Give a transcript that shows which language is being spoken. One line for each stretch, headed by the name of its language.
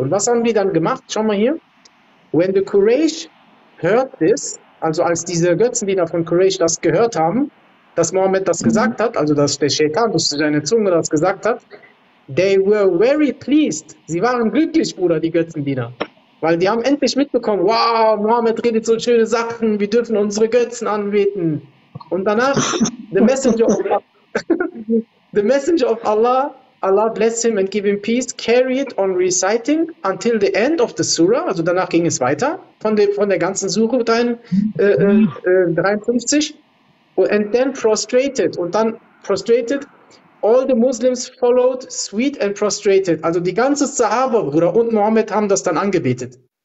German: Und was haben die dann gemacht? Schau mal hier.
English: When the Quraysh heard this,
German: also als diese Götzendiener von Quraysh das gehört haben, dass Mohammed das gesagt hat, also dass der Shaitan, dass seine Zunge das gesagt hat,
English: they were very pleased.
German: Sie waren glücklich, Bruder, die Götzendiener. Weil die haben endlich mitbekommen, wow, Mohammed redet so schöne Sachen, wir dürfen unsere Götzen anbeten. Und danach,
English: the messenger of Allah, Allah bless him and give him peace, carry it on reciting until the end of the surah.
German: Also danach ging es weiter von der ganzen Sura 53.
English: And then prostrated.
German: Und dann
English: prostrated. All the Muslims followed, sweet and prostrated.
German: Also die ganze Sahaba, Bruder, und Mohammed haben das dann angebetet.